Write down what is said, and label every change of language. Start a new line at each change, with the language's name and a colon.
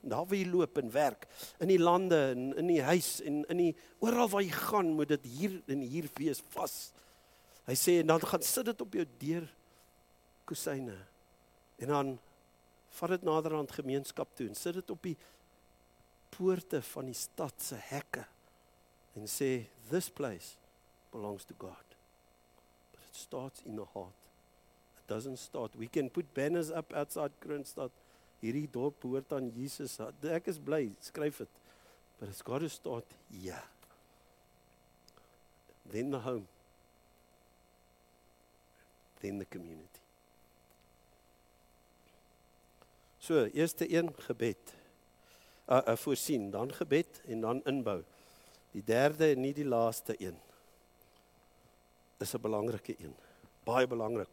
Afrikaans: Daar waar jy loop en werk, in die lande, in die huis, en in die, oral waar jy gaan, moet dit hier en hier wees vas. Hy sê, en dan gaan sit dit op jou deurkusyne. En dan, vat het nader aan het gemeenskap toe, en sit het op die poorte van die stadse hekke, en sê,
English: this place belongs to God. But it starts in the heart. It doesn't start. We can put banners up outside Kroonstad,
Afrikaans: hierdie dorp hoort aan Jesus, ek is bly, skryf het,
English: but it's got to start here. Then the home. Then the community.
Afrikaans: So, eerste een, gebed, voorsien, dan gebed, en dan inbou. Die derde en nie die laaste een, is 'n belangrike een, baie belangrik.